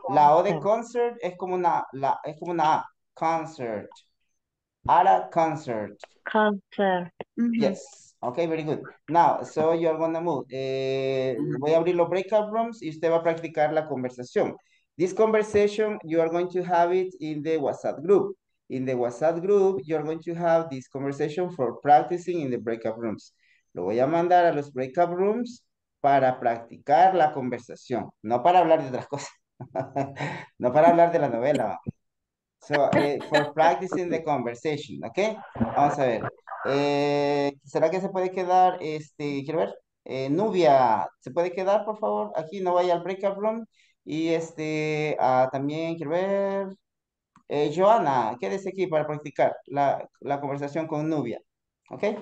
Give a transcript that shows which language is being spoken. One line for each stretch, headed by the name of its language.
Spanish: La O de concert es como una la es como una A.
English: Concert. At a concert. Concert. Mm-hmm. Yes. Okay, very good. Now, so you're going to move.
Spanish: Voy a abrir los breakout rooms y usted va a practicar la conversación.
English: This conversation, you are going to have it in the WhatsApp group. In the WhatsApp group, you're going to have this conversation for practicing in the breakout rooms.
Spanish: Lo voy a mandar a los breakout rooms para practicar la conversación. No para hablar de otras cosas. No para hablar de la novela.
English: So, for practicing the conversation, okay?
Spanish: Vamos a ver. ¿Será que se puede quedar, quiero ver, Nubia, se puede quedar, por favor, aquí, no vaya al breakout room, y también quiero ver, Joana, quédese aquí para practicar la conversación con Nubia, ¿ok?